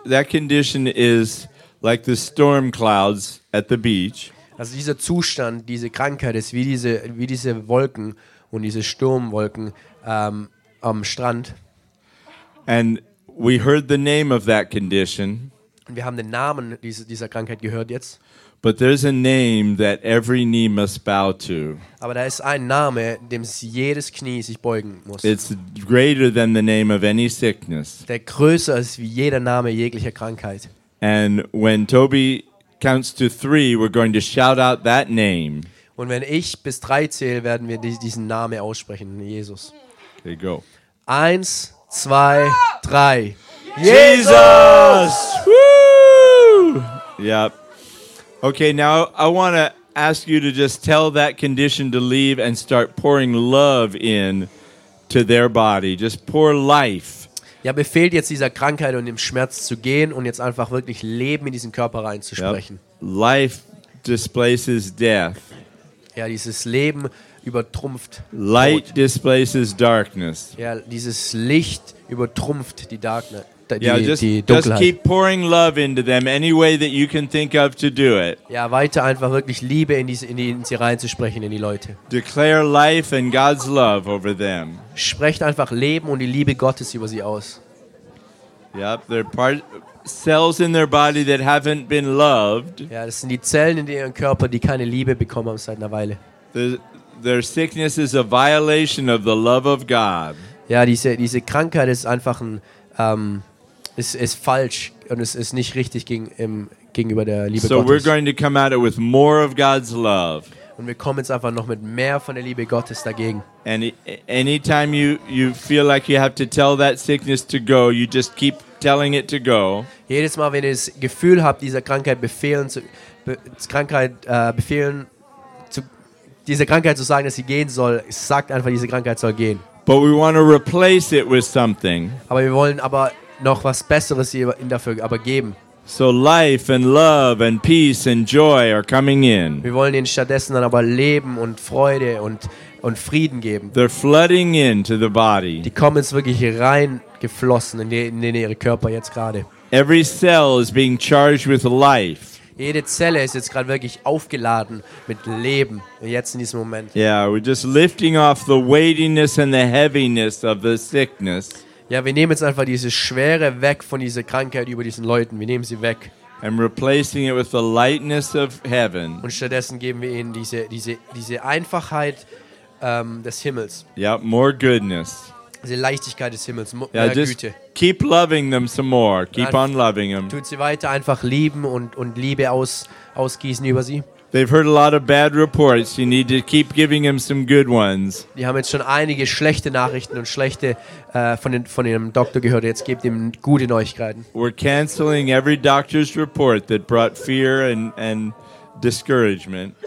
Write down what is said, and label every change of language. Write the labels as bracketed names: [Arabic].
[English] That condition is like the storm clouds at the beach. [German] Also dieser Zustand, diese Krankheit ist wie diese Wolken und diese Sturmwolken am Strand. [English] And we heard the name of that condition. [German] Wir haben den Namen dieser Krankheit gehört jetzt. [English] But there's a name that every knee must bow to. [German] Aber da ist ein Name, dem jedes Knie sich beugen muss. [English] It's greater than the name of any sickness. [German] Der größer ist wie jeder Name jeglicher Krankheit. [English] And when Toby counts to three, we're going to shout out that name. [German] Und wenn ich bis drei zähle, werden wir diesen Namen aussprechen, Jesus. [English] There you go. [German] Eins, zwei, drei. [English] Jesus! Woo! Yep. Okay, now I want to ask you to just tell that condition to leave and start pouring love in to their body. Just pour life. [German] Ja, befehlt jetzt dieser Krankheit und dem Schmerz zu gehen und jetzt einfach wirklich Leben in diesen Körper reinzusprechen. [English] Yep. Life displaces death. [German] Ja, dieses Leben übertrumpft [English] Light Tod. Displaces darkness. [German] Ja, dieses Licht übertrumpft die Darkness. [English] Just keep pouring love into them any way that you can think of to do it. [German] Ja, weiter einfach wirklich Liebe in sie reinzusprechen, in die Leute. [English] Declare life and God's love over them. [German] Sprecht einfach Leben und die Liebe Gottes über sie aus. [English] Yep, there are cells in their body that haven't been loved. [German] Ja, das sind die Zellen in ihrem Körper, die keine Liebe bekommen haben seit einer Weile. [English] Their sickness is a violation of the love of God. [German] Ja, diese Krankheit ist einfach ein ist falsch und es ist nicht richtig gegenüber der Liebe Gottes. [English] So we're going to come at it with more of God's love. [German] Und wir kommen jetzt einfach noch mit mehr von der Liebe Gottes dagegen. [English] And anytime you feel like you have to tell that sickness to go, you just keep telling it to go. [German] Jedes Mal, wenn ihr das Gefühl habt, dieser Krankheit zu sagen, dass sie gehen soll, sagt einfach, diese Krankheit soll gehen. [English] But we want to replace it with something. [German] Aber wir wollen aber noch was Besseres ihnen dafür aber geben. [English] So life and love and peace and joy are coming in. [German] Wir wollen ihnen stattdessen dann aber Leben und Freude und Frieden geben. [English] They're flooding into the body. [German] Die kommen jetzt wirklich reingeflossen in ihre Körper jetzt gerade. [English] Every cell is being charged with life. [German] Jede Zelle ist jetzt gerade wirklich aufgeladen mit Leben, jetzt in diesem Moment. [English] Yeah, we're just lifting off the weightiness and the heaviness of the sickness. [German] Ja, wir nehmen jetzt einfach diese Schwere weg von dieser Krankheit über diesen Leuten. Wir nehmen sie weg. [English] And replacing it with the lightness of heaven. [German] Und stattdessen geben wir ihnen diese Einfachheit des Himmels. [English] Yeah, more goodness. [German] Diese Leichtigkeit des Himmels, mehr yeah, [English] just [German] Güte. [English] Keep loving them some more. Keep on loving them. [German] Tut sie weiter einfach lieben und Liebe ausgießen über sie. [English] They've heard a lot of bad reports. You need to keep giving them some good ones. [German] Die haben jetzt schon einige schlechte Nachrichten und schlechte von ihrem Doktor gehört. Jetzt gebt ihm gute Neuigkeiten. [English] We're canceling every doctor's report that brought fear and discouragement.